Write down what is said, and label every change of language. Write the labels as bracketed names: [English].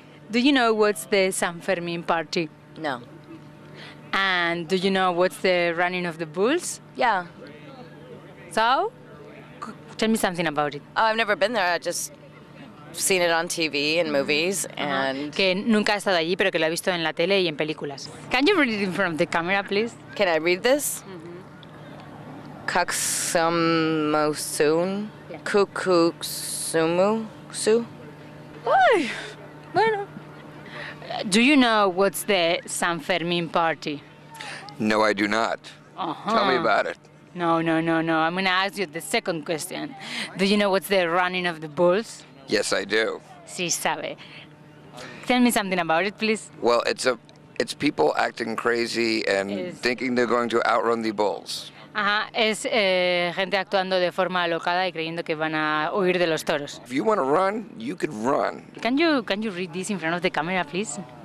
[English] Do you know what's the Sanfermin party? No. And do you know what's the running of the bulls? Yeah. So, tell me something about it. Oh, I've never been there. I just seen it on TV and movies. And [Spanish] que nunca ha estado allí, pero que lo ha visto en la tele y en películas. [English] Can you read it in front of the camera, please? Can I read this? Kaksumusun. Kukusumusu. [Spanish] Uy. Bueno. [English] Do you know what's the Sanfermin party? No, I do not. Tell me about it. No. I'm going to ask you the second question. Do you know what's the running of the bulls? Yes, I do. [Spanish] Sí, sabe. [English] Tell me something about it, please. Well, it's people acting crazy and thinking they're going to outrun the bulls. [Spanish] Ajá, es gente actuando de forma alocada y creyendo que van a huir de los toros. [English] If you want to run, you can run. Can you read this in front of the camera, please?